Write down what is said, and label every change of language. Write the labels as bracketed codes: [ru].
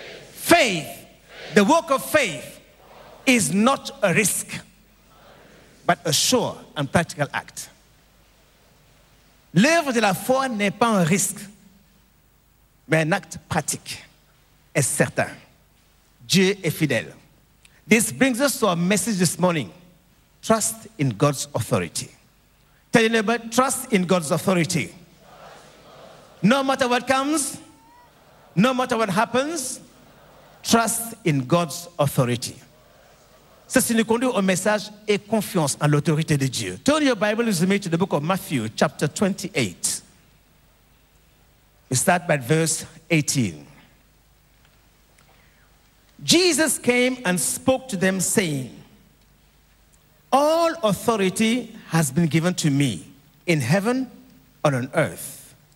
[en] Faith. The work of faith is not a risk. but a sure and practical act. [fr] L'œuvre de la foi n'est pas un risque, mais un acte pratique est certain. Dieu est fidèle. [en] This brings us to our message this morning. Trust in God's authority. Tell your neighbor, trust in God's authority. No matter what comes, no matter what happens, trust in God's authority. [fr] Ceci nous conduit au message et confiance en l'autorité de Dieu. [en] Turn your Bible with me to the book of Matthew, chapter 28. We start by verse 18. Jesus came and spoke to them, saying, "All authority has been given to me in heaven and on earth.